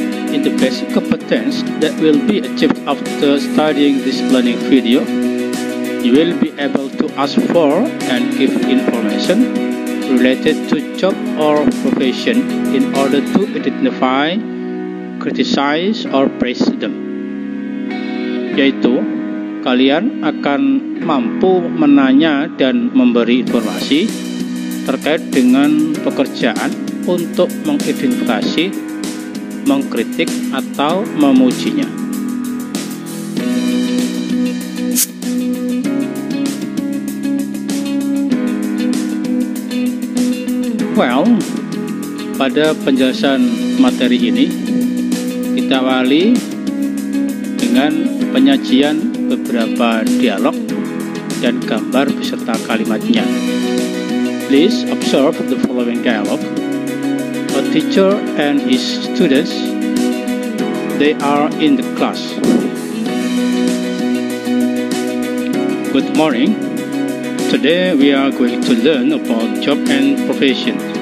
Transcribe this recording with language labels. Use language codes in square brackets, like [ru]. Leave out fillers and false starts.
[en] In the basic competence that will be achieved after studying this learning video, you will be able to ask for and give information related to job or profession in order to identify, criticize, or praise them. [id] Yaitu, kalian akan mampu menanya dan memberi informasi terkait dengan pekerjaan untuk mengidentifikasi, mengkritik, atau memujinya. Well, pada penjelasan materi ini, kita awali dengan penyajian beberapa dialog dan gambar beserta kalimatnya. [en] Please observe the following dialogue. A teacher and his students, they are in the class. Good morning. Today we are going to learn about job and profession.